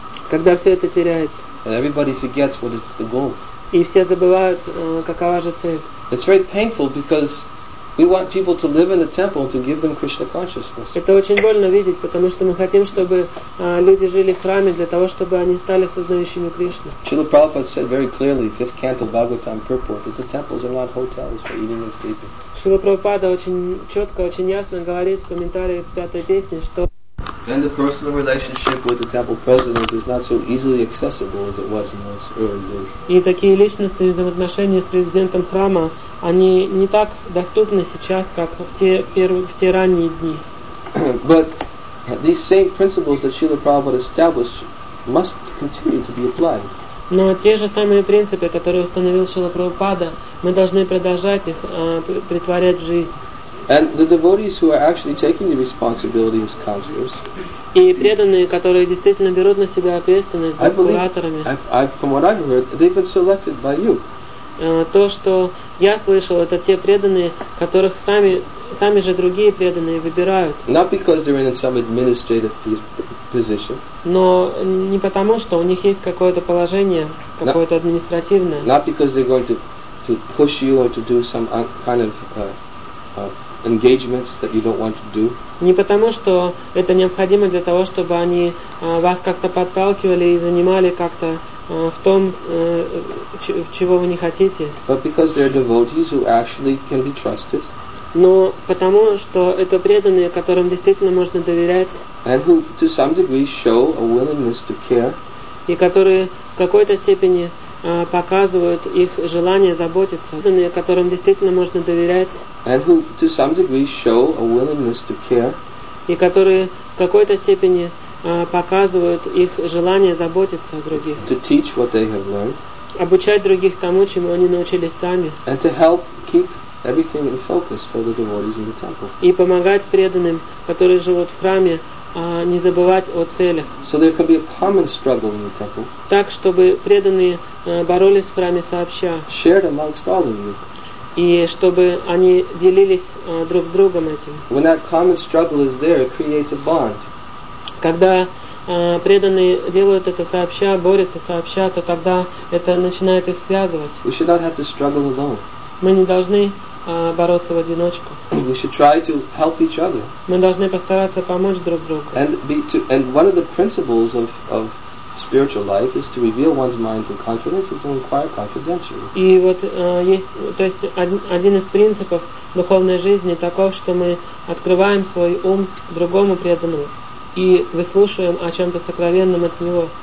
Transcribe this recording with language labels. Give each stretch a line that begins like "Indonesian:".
Russian: Когда все это теряется.
English: And everybody forgets what is the goal.
Russian: И все забывают, какова же цель.
English: It's very painful because we want people to live in the temple to give them Krishna consciousness.
Russian: Это очень больно видеть, потому что мы хотим, чтобы люди жили в храме для того, чтобы они стали сознающими Кришну.
English: Srila Prabhupada said very clearly, fifth canto Bhagavatam purport, that the temples are not hotels for eating and sleeping.
Russian: Srila Prabhupada очень четко, очень ясно говорит в комментарии к пятой песне, что
English: And the personal relationship with the temple president is not so easily accessible as it was in those early days.
Russian: И такие личностные взаимоотношения с президентом храма, они не так доступны сейчас, как в те ранние дни.
English: But these same principles that Srila Prabhupada established must continue to be applied.
Russian: Но те же самые принципы, которые установил Шрила Прабхупада, мы должны продолжать их притворять в жизнь.
English: And the devotees who are actually taking the responsibility as counselors.
Russian: И преданные, которые действительно берут на себя ответственность за кураторами.
English: From what I've heard, they've been selected by you.
Russian: То, что я слышал, это те преданные, которых сами же другие преданные выбирают.
English: Not because they're in some administrative position.
Russian: Но не потому, что у них есть какое-то положение, какое-то административное.
English: Not because they're going to push you or to do some kind of engagements that you don't want to do.
Russian: Не потому, что это необходимо для того, чтобы они вас как-то подталкивали и занимали как-то в том, чего вы не хотите.
English: But because they're devotees who actually can be trusted.
Russian: Но потому, что это преданные, которым действительно можно доверять.
English: And who to some degree show a willingness to care.
Russian: И которые в какой-то степени показывают их желание заботиться, преданные, которым действительно можно доверять,
English: and who to some degree show a willingness to care,
Russian: и которые в какой-то степени показывают их желание заботиться о других,
English: to teach what they have learned,
Russian: обучать других тому, чему они научились сами,
English: and to help keep everything in focus for the devotees in the temple,
Russian: и помогать преданным, которые живут в храме, не забывать о целях.
English: So there could be a common struggle in the temple.
Russian: Так, чтобы преданные боролись в храме сообща.
English: Shared amongst all of you.
Russian: И чтобы они делились друг с другом этим.
English: When that common struggle is there, it creates a bond.
Russian: Когда преданные делают это сообща, борются сообща, то тогда это начинает их связывать.
English: We should not have to struggle alone.
Russian: Мы не должны бороться в одиночку.
English: We should try to help each other.
Russian: Мы должны постараться помочь друг другу.
English: And one of the principles of spiritual life is to reveal one's mind in confidence and to inquire confidentially.
Russian: И вот есть, то есть один из принципов духовной жизни таков, что мы открываем свой ум другому преданному. и выслушаем о чем-то сокровенном от Него.